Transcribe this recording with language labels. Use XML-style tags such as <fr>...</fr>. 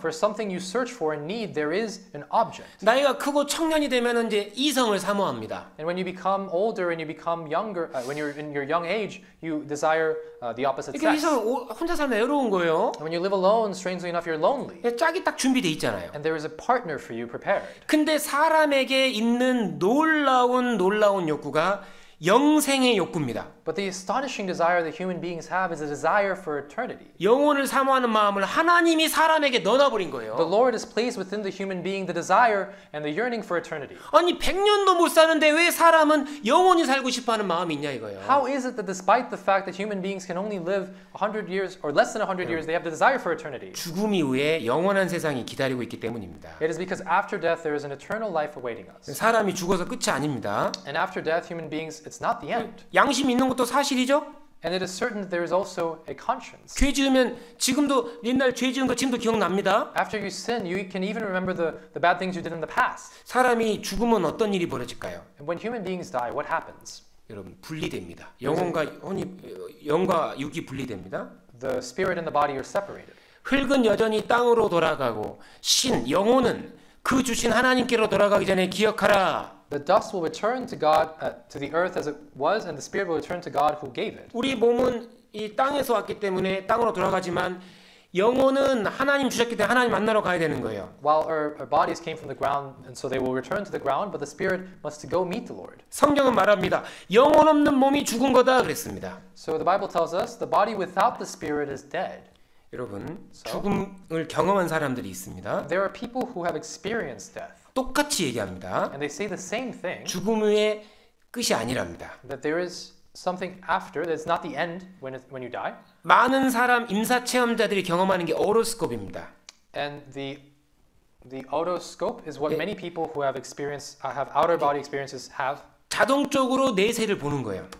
<en>For something you search for and need, there is an object.</en> <ko>나이가 크고 청년이 되면 이제 이성을 사모합니다.</ko> <en>And when you become older and you become younger, when you're in your young age, you desire the opposite sex.</en> <ko>그러니까 이성 혼자 살면 외로운 거예요.</ko> <en>And when you live alone, strangely enough, you're lonely.</en> <ko>예, 짝이 딱 준비돼 있잖아요.</ko> <en>And there is a partner for you prepared.</en> <ko>근데 사람에게 있는 놀라운 욕구가 영생의 욕구입니다.</ko> <en>But the astonishing desire that human beings have is a desire for eternity.</en> <ko>영혼을 사모하는 마음을 하나님이 사람에게 넣어버린 거예요.</ko> <en>The Lord has placed within the human being the desire and the yearning for eternity.</en> <ko>아니 100년도 못 사는데 왜 사람은 영원히 살고 싶어하는 마음이 있냐 이거예요.</ko> <en>How is it that despite the fact that human beings can only live 100 years or less than 100 years, they have the desire for eternity?</en> <ko>죽음 이후에 영원한 세상이 기다리고 있기 때문입니다.</ko> <en>It is because after death there is an eternal life awaiting us.</en> <ko>사람이 죽어서 끝이 아닙니다.</ko> <en>And after death, human beings it's not the end.</en> <ko>양심 있는 것도 사실이죠.</ko> <en>And it is certain that there is also a conscience.</en> <ko>죄 지으면 지금도 옛날 죄 지은 거 지금도 기억납니다.</ko> <en>After you sin, you can even remember the bad things you did in the past.</en> <ko>사람이 죽으면 어떤 일이 벌어질까요?</ko> <en>And when human beings die, what happens?</en> <ko>여러분 분리됩니다. 영과 육이 분리됩니다.</ko> <en>The spirit and the body are separated.</en> <ko>흙은 여전히 땅으로 돌아가고 신 영혼은 그 주신 하나님께로 돌아가기 전에 기억하라.</ko> <en>The dust will return to God, to the earth as it was, and the spirit will return to God who gave it.</en> <ko>우리 몸은 이 땅에서 왔기 때문에 땅으로 돌아가지만 영혼은 하나님 주셨기 때문에 하나님 만나러 가야 되는 거예요.</ko> <en>While our bodies came from the ground, and so they will return to the ground, but the spirit must go meet the Lord.</en> <ko>성경은 말합니다. 영혼 없는 몸이 죽은 거다 그랬습니다.</ko> <en>So the Bible tells us the body without the spirit is dead.</en> <ko>여러분, 죽음을 경험한 사람들이 있습니다.</ko> <en>There are people who have experienced death.</en> <ko>똑같이 얘기합니다.</ko> <en>And they say the same thing.</en> <ko>죽음 후에 끝이 아니랍니다.</ko> <en>That there is something after. That's not the end when you die.</en> <ko>많은 사람 임사 체험자들이 경험하는 게 오로스코프입니다.</ko> <en>And the otoscope is what 예. many people who have experienced have outer body experiences have.</en> <ko>자동적으로 내세를 보는 거예요.</ko>